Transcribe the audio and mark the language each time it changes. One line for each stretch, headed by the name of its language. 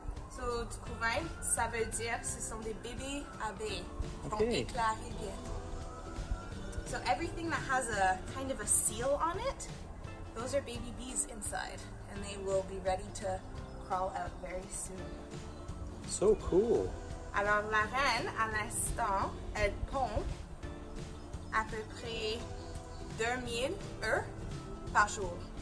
French: So, du couvain, ça veut dire que ce sont des bébés abeilles qui vont éclairer bien.
English: So, everything that has a kind of a seal on it, those are baby bees inside, and they will be ready to crawl out very soon. So cool!
French: Alors, la reine, à l'instant, elle pond à peu près 2000 œufs par jour.